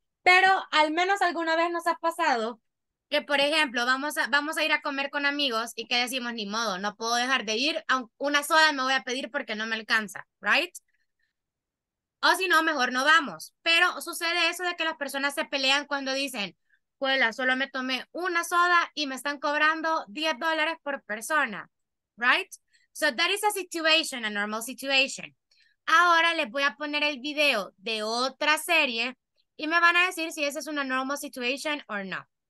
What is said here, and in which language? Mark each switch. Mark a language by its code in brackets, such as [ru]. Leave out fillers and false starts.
[es] Pero al menos alguna vez nos ha pasado que, por ejemplo, vamos a ir a comer con amigos y que decimos, ni modo, no puedo dejar de ir, una soda me voy a pedir porque no me alcanza, right? O si no, mejor no vamos. Pero sucede eso de que las personas se pelean cuando dicen, juela, solo me tomé una soda y me están cobrando $10 por persona, right? [en] So that is a situation, a normal situation. [es] Ahora les voy a poner el video de otra serie y me van a decir si esa es una [en] normal situation or no.